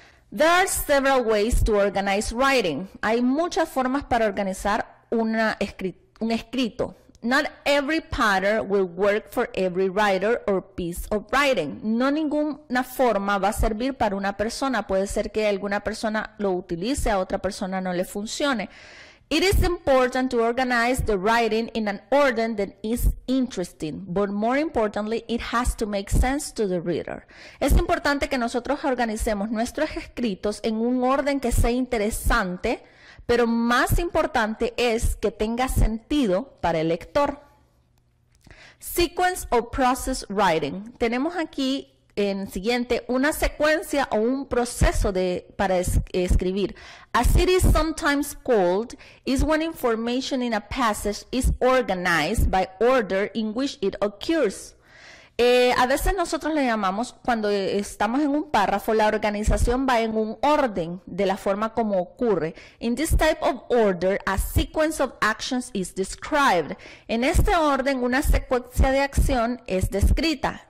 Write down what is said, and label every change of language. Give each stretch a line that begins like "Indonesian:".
English: There are several ways to organize writing.
Spanish: Hay muchas formas para organizar un escrito.
English: Not every pattern will work for every writer or piece of writing.
Spanish: No ninguna forma va a servir para una persona. Puede ser que alguna persona lo utilice, a otra persona no le funcione.
English: It is important to organize the writing in an order that is interesting, but more importantly, it has to make sense to the reader.
Spanish: Es importante que nosotros organicemos nuestros escritos en un orden que sea interesante, pero más importante es que tenga sentido para el lector.
English: Sequence or process writing.
Spanish: Tenemos aquí en siguiente una secuencia o un proceso para escribir.
English: As it is sometimes called, is when information in a passage is organized by order in which it occurs.
Spanish: A veces nosotros le llamamos, cuando estamos en un párrafo, la organización va en un orden de la forma como ocurre.
English: In this type of order, a sequence of actions is described.
Spanish: En este orden, una secuencia de acción es descrita.